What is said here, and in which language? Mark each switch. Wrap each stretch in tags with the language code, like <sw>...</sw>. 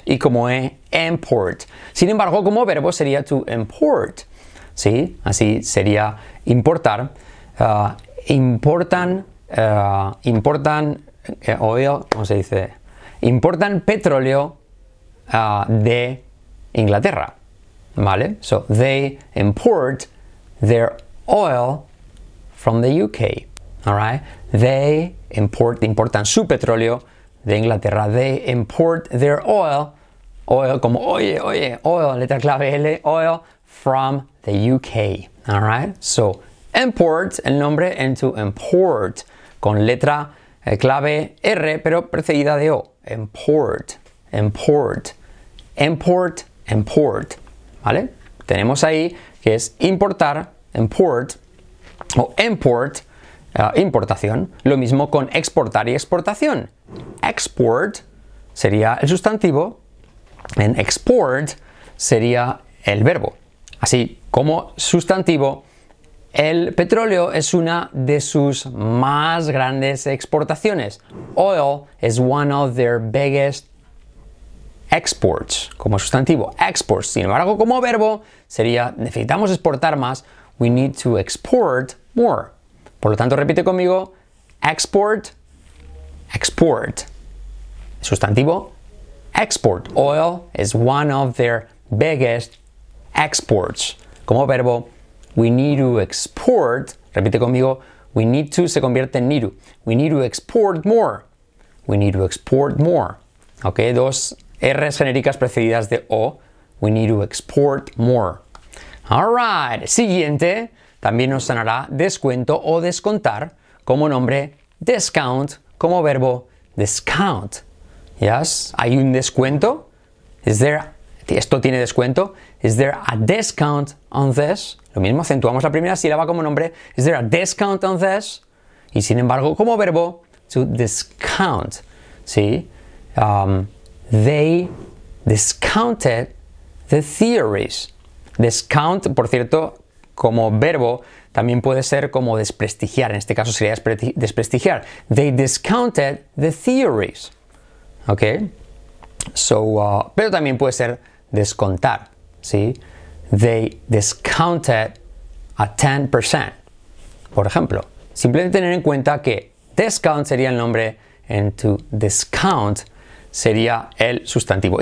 <es>Y como E, import. Sin embargo, como verbo sería to import. ¿Sí? Así sería importar. Importan. Importan. Oil. ¿Cómo se dice? Importan petróleo de Inglaterra. ¿Vale?</es> <en>So, they import their oil from the UK. Alright? They import,</en> <es>importan su petróleo de Inglaterra.</es> <en>They import their oil, oil</en> <es>como oye, oye,</es> <en>oil,</en> <es>letra clave L,</es> <en>oil from the UK. Alright? So,</en> <es>import, el nombre, into import, con letra clave R, pero precedida de O.</es> <en>Import, import, import, import. ¿Vale?</en> <es>Tenemos ahí que es importar, import, o import, importación. Lo mismo con exportar y exportación. Export sería el sustantivo, en export sería el verbo. Así, como sustantivo, el petróleo es una de sus más grandes exportaciones.</es> <en>Oil is one of their biggest exports,</en> <es>como sustantivo,</es> <en>exports.</en> <es>Sin embargo, como verbo, sería necesitamos exportar más.</es> <en>We need to export more.</en> <es>Por lo tanto, repite conmigo,</es> <en>export, export.</en> <es>Sustantivo, export.</es> <en>Oil is one of their biggest exports.</en> <es>Como verbo,</es> <en>we need to export,</en> <es>repite conmigo, we need to, se convierte en need to.</es> <en>We need to export more. We need to export more.</en> <es>Ok, dos R's genéricas precedidas de O.</es> <en>We need to export more.</en> <es>Alright, siguiente. También nos sonará descuento o descontar como nombre, discount, como verbo, discount. Yes, hay un descuento. Is there, esto tiene descuento.</es> <en>Is there a discount on this?</en> <es>Lo mismo, acentuamos la primera sílaba como nombre.</es> <en>Is there a discount on this?</en> <es>Y sin embargo, como verbo,</es> <en>to discount. ¿Sí? They discounted the theories.</en> <es>Discount, por cierto, como verbo, también puede ser como desprestigiar. En este caso sería desprestigiar.</es> <en>They discounted the theories. ¿Ok?</en> <es>So, pero también puede ser descontar. ¿Sí?</es> <en>They discounted a 10%,</en> <es>por ejemplo. Simplemente tener en cuenta que discount sería el nombre, and to discount sería el sustantivo.</es>